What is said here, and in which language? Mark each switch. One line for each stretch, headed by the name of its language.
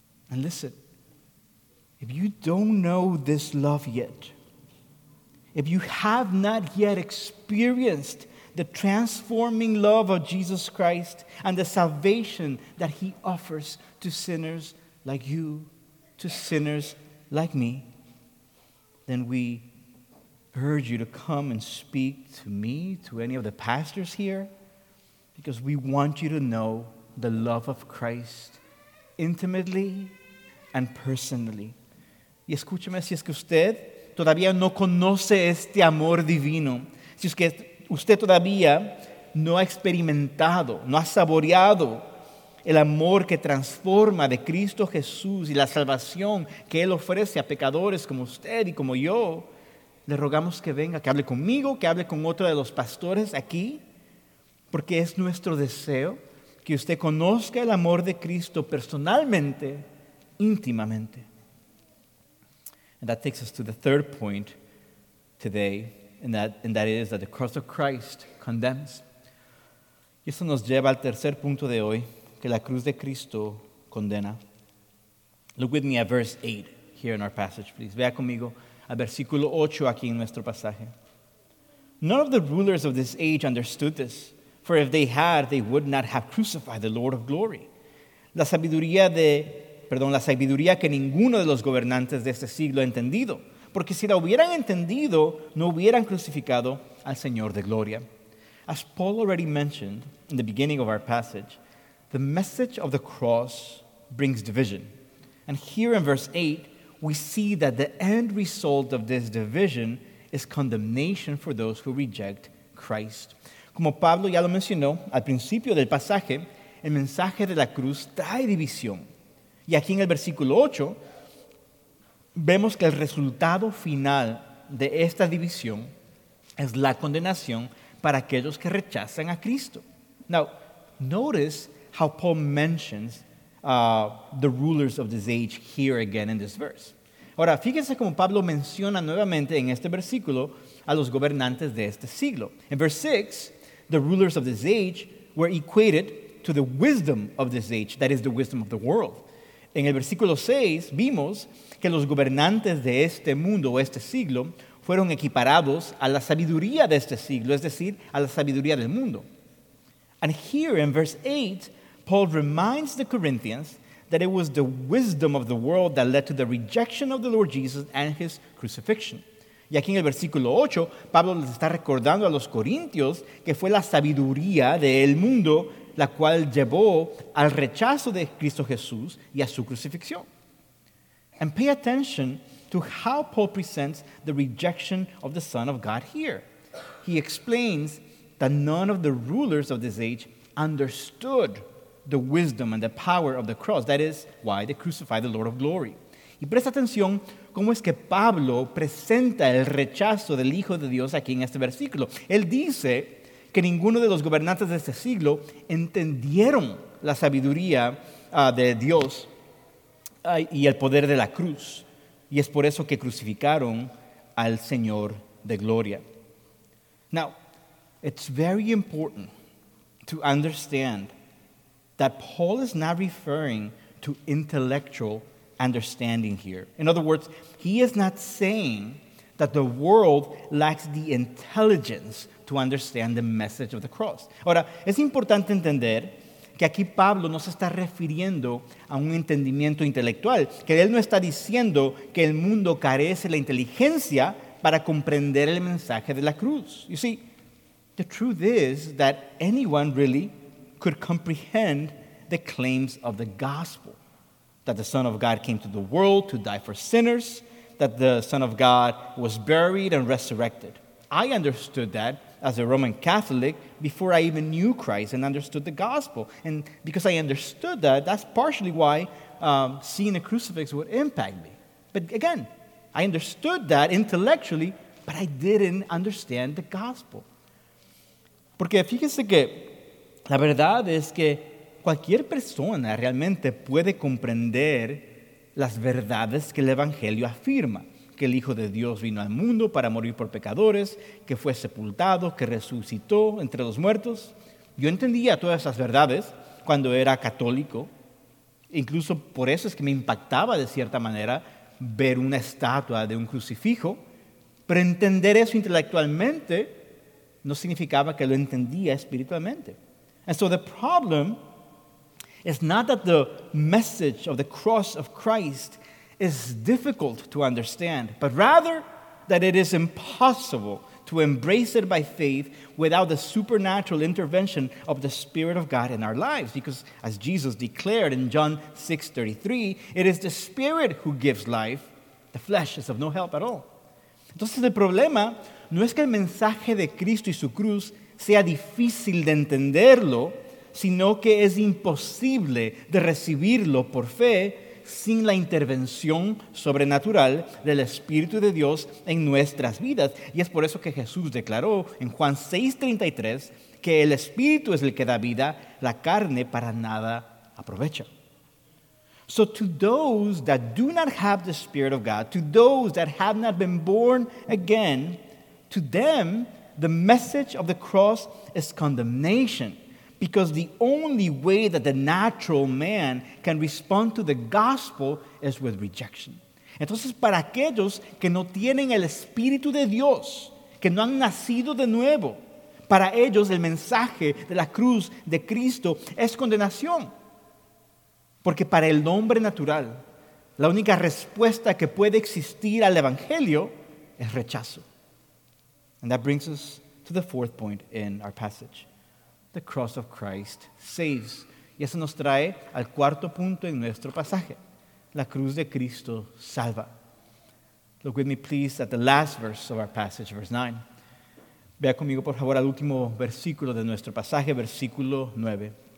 English: And listen. If you don't know this love yet, if you have not yet experienced the transforming love of Jesus Christ and the salvation that He offers to sinners like you, to sinners like me, then we urge you to come and speak to me, to any of the pastors here, because we want you to know the love of Christ intimately and personally.
Spanish: Y escúcheme, si es que usted todavía no conoce este amor divino, si es que usted todavía no ha experimentado, no ha saboreado el amor que transforma de Cristo Jesús y la salvación que Él ofrece a pecadores como usted y como yo, le rogamos que venga, que hable conmigo, que hable con otro de los pastores aquí, porque es nuestro deseo que usted conozca el amor de Cristo personalmente, íntimamente.
English: And that takes us to the third point today, and that is that the cross of Christ condemns.
Spanish: Y eso nos lleva al tercer punto de hoy, que la cruz de Cristo condena.
English: Look with me at verse 8 here in our passage, please.
Spanish: Vea conmigo al versículo 8 aquí en nuestro pasaje.
English: None of the rulers of this age understood this, for if they had, they would not have crucified the Lord of glory.
Spanish: La sabiduría que ninguno de los gobernantes de este siglo ha entendido. Porque si la hubieran entendido, no hubieran crucificado al Señor de gloria.
English: As Paul already mentioned in the beginning of our passage, the message of the cross brings division. And here in verse 8, we see that the end result of this division is condemnation for those who reject Christ.
Spanish: Como Pablo ya lo mencionó al principio del pasaje, el mensaje de la cruz trae división. Y aquí en el versículo 8, vemos que el resultado final de esta división es la condenación para aquellos que rechazan a Cristo.
English: Now, notice how Paul mentions the rulers of this age here again in this verse.
Spanish: Ahora, fíjense cómo Pablo menciona nuevamente en este versículo a los gobernantes de este siglo.
English: In verse 6, the rulers of this age were equated to the wisdom of this age, that is the wisdom of the world.
Spanish: En el versículo 6, vimos que los gobernantes de este mundo o este siglo fueron equiparados a la sabiduría de este siglo, es decir, a la sabiduría del mundo.
English: And here in verse 8, Paul reminds the Corinthians that it was the wisdom of the world that led to the rejection of the Lord Jesus and his crucifixion.
Spanish: Y aquí en el versículo 8, Pablo les está recordando a los corintios que fue la sabiduría del mundo la cual llevó al rechazo de Cristo Jesús y a su crucifixión.
English: And pay attention to how Paul presents the rejection of the Son of God here. He explains that none of the rulers of this age understood the wisdom and the power of the cross. That is why they crucified the Lord of glory.
Spanish: Y presta atención cómo es que Pablo presenta el rechazo del Hijo de Dios aquí en este versículo. Él dice que ninguno de los gobernantes de este siglo entendieron la sabiduría de Dios y el poder de la cruz. Y es por eso que crucificaron al Señor de gloria.
English: Now, it's very important to understand that Paul is not referring to intellectual understanding here. In other words, he is not saying that the world lacks the intelligence to understand the message of the cross.
Spanish: Ahora, es importante entender que aquí Pablo no se está refiriendo a un entendimiento intelectual, que él no está diciendo que el mundo carece la inteligencia para comprender el mensaje de la cruz.
English: You see, the truth is that anyone really could comprehend the claims of the gospel, that the Son of God came to the world to die for sinners, that the Son of God was buried and resurrected. I understood that as a Roman Catholic before I even knew Christ and understood the gospel. And because I understood that, that's partially why seeing the crucifix would impact me. But again, I understood that intellectually, but I didn't understand the gospel.
Spanish: Porque fíjense que la verdad es que cualquier persona realmente puede comprender las verdades que el Evangelio afirma. Que el Hijo de Dios vino al mundo para morir por pecadores, que fue sepultado, que resucitó entre los muertos. Yo entendía todas esas verdades cuando era católico. Incluso por eso es que me impactaba de cierta manera ver una estatua de un crucifijo. Pero entender eso intelectualmente no significaba que lo entendía espiritualmente.
English: And so the problem is not that the message of the cross of Christ is difficult to understand, but rather that it is impossible to embrace it by faith without the supernatural intervention of the Spirit of God in our lives. Because as Jesus declared in John 6:33, it is the Spirit who gives life. The flesh is of no help at all.
Spanish: Entonces el problema no es que el mensaje de Cristo y su cruz sea difícil de entenderlo, sino que es imposible de recibirlo por fe sin la intervención sobrenatural del Espíritu de Dios en nuestras vidas. Y es por eso que Jesús declaró en Juan 6:33 que el Espíritu es el que da vida, la carne para nada aprovecha.
English: So to those that do not have the Spirit of God, to those that have not been born again, to them, the message of the cross is condemnation, because the only way that the natural man can respond to the gospel is with rejection.
Spanish: Entonces, para aquellos que no tienen el Espíritu de Dios, que no han nacido de nuevo, para ellos el mensaje de la cruz de Cristo es condenación. Porque para el hombre natural, la única respuesta que puede existir al Evangelio es rechazo.
English: And that brings us to the fourth point in our passage. The cross of Christ saves.
Spanish: Y eso nos trae al cuarto punto en nuestro pasaje. La cruz de Cristo salva.
English: Look with me, please, at the last verse of our passage, verse 9.
Spanish: Vea conmigo, por favor, al último versículo de nuestro pasaje, versículo 9.